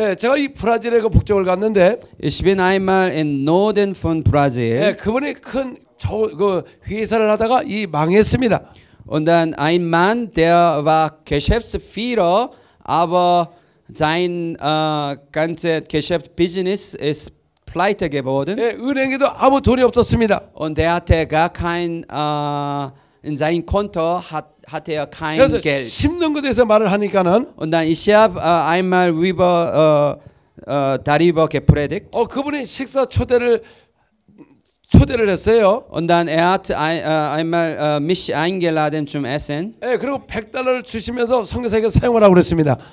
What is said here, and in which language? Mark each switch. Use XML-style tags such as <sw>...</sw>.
<ko>예, 제가 이 브라질에 그 복적을 갔는데</ko> <de>Ich bin einmal in Norden von Brasil.</de> <ko>예, 그분이 큰 저 그 회사를 하다가 이 망했습니다.</ko> <de>Und dann ein Mann, der war Geschäftsführer, aber sein ganze Geschäft Business ist pleite geworden.</de> <ko>예, 은행에도 아무 돈이 없었습니다.</ko> <de>Und der hatte gar kein in sein Konto hat er kein Geld.</de> <ko>힘든 것에서 말을 하니까는</ko> <de>und dann ich habe einmal über darüber gepredigt.</de> <ko>어 그분이 식사 초대를 했어요.</ko> <de>und dann er hat einmal mich eingeladen zum Essen.</de> <ko>예, 그리고 $100를 주시면서 선교사에게 사용하라고 그랬습니다.</ko>